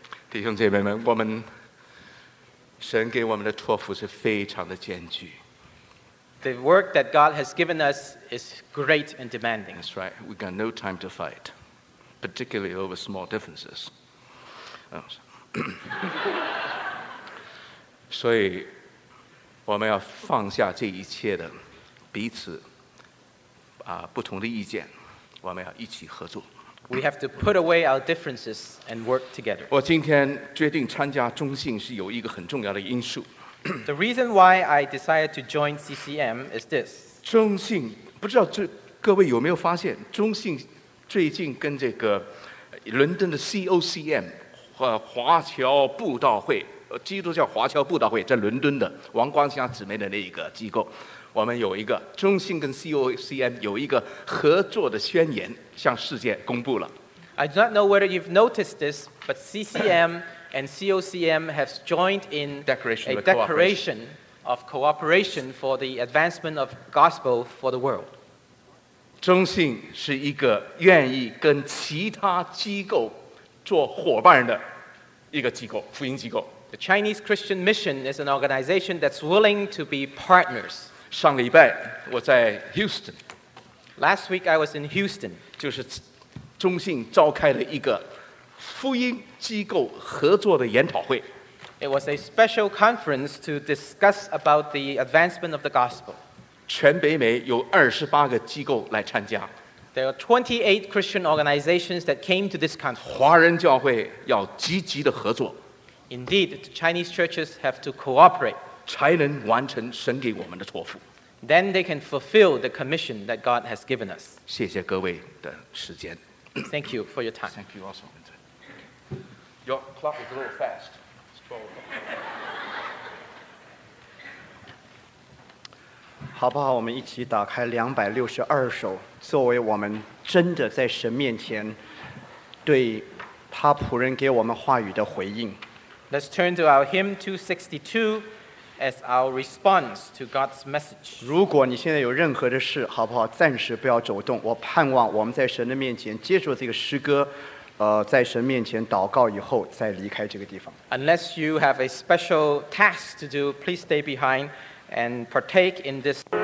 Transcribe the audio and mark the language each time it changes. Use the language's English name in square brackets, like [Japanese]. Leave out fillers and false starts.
[Chinese] 弟兄姐妹们，我们神给我们的托付是非常的艰巨。 [English] The work that God has given us is great and demanding. That's right. We got no time to fight, particularly over small differences. [Chinese] 所以我们要放下这一切的彼此不同的意见，我们要一起合作。 [English] We have to put away our differences and work together. [Chinese] 我今天决定参加中信是有一个很重要的因素。 [English] The reason why I decided to join CCM is this. [Chinese] 中信，不知道各位有没有发现，中信最近跟这个伦敦的 COCM华侨布道会，基督教华侨布道会，在伦敦的王光祥姊妹的那一个机构，我们有一个中信跟 COCM 有一个合作的宣言，向世界公布了。 [English] I do not know whether you've noticed this, but CCM and COCM have joined in declaration a declaration of cooperation for the advancement of gospel for the world. [Chinese] 中信是一个愿意跟其他机构。做伙伴的一个机构，福音机构。 [English] The Chinese Christian Mission is an organization that's willing to be partners. [Chinese] 上礼拜我在 Houston. [English] Last week I was in Houston. [Chinese] 就是中信召开了一个福音机构合作的研讨会。 [English] It was a special conference to discuss about the advancement of the gospel. [Chinese] 全北美有28个机构来参加。 [English] There are 28 Christian organizations that came to this conference. [Chinese] 华人教会要积极的合作。 [English] Indeed, the Chinese churches have to cooperate. [Chinese] 才能完成神给我们的托付。 [English] Then they can fulfill the commission that God has given us. [Chinese] 谢谢各位的时间。 [English] Thank you for your time. Thank you also. Your clock is a little fast. It's 12:00. [Chinese] 好不好？我们一起打开262首。作为我们真的在神面前对他仆人给我们话语的回应。 [English] Let's turn to our hymn 262 as our response to God's message. [Chinese] 如果你现在有任何的事，好不好？暂时不要走动。我盼望我们在神的面前接受这个诗歌，在神面前祷告以后再离开这个地方。 [English] Unless you have a special task to do, please stay behind and partake in this.